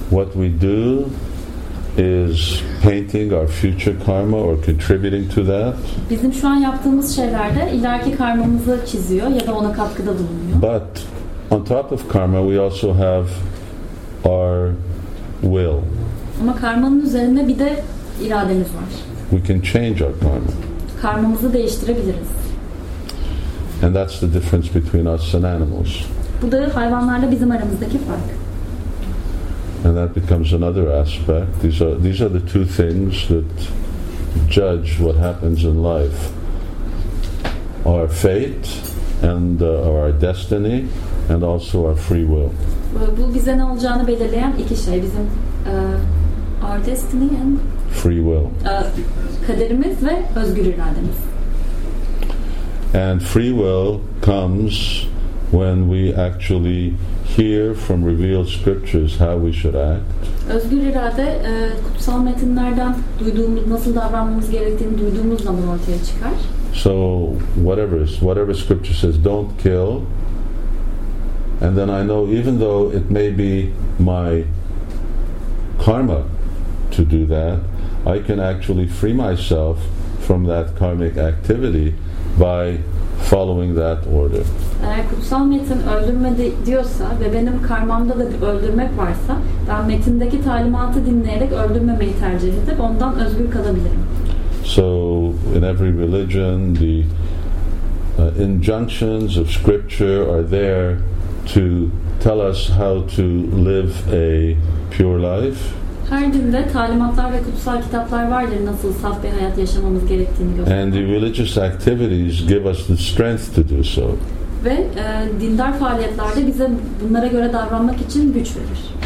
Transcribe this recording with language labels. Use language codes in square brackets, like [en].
[en] What we do is painting our future karma or contributing to that. [tr] Bizim şu an yaptığımız şeylerde ileriki karmamızı çiziyor ya da ona katkıda bulunuyor. [en] But on top of karma we also have our will. [tr] Ama karmanın üzerinde bir de irademiz var. [en] We can change our karma. [tr] Karmamızı değiştirebiliriz. [en] And that's the difference between us and animals. [tr] Bu da hayvanlarla bizim aramızdaki fark. [en] And that becomes another aspect. These are the two things that judge what happens in life. Our fate and our destiny and also our free will. [tr] Bu bize ne olacağını belirleyen iki şey. Bizim [en] our destiny and free will. [tr] Kaderimiz ve özgür irademiz. [en] And free will comes when we actually hear from revealed scriptures how we should act. [tr] Özgür irade, kutsal metinlerden duyduğumuz, nasıl davranmamız gerektiğini duyduğumuz zaman ortaya çıkar. [en] So whatever scripture says, don't kill. And then I know, even though it may be my karma to do that, I can actually free myself from that karmic activity by following that order. [tr] Eğer kutsal metin öldürme diyorsa ve benim karmamda da bir öldürmek varsa, ben metindeki talimatı dinleyerek öldürmemeyi tercih edip ondan özgür kalabilirim. [en] So in every religion the injunctions of scripture are there to tell us how to live a pure life. [tr] Her dinde talimatlar ve kutsal kitaplar vardır nasıl saf bir hayat yaşamamız gerektiğini gösteren. [en] And the religious activities give us the strength to do so. [tr] Ve dindar faaliyetlerde bize bunlara göre davranmak için güç verir.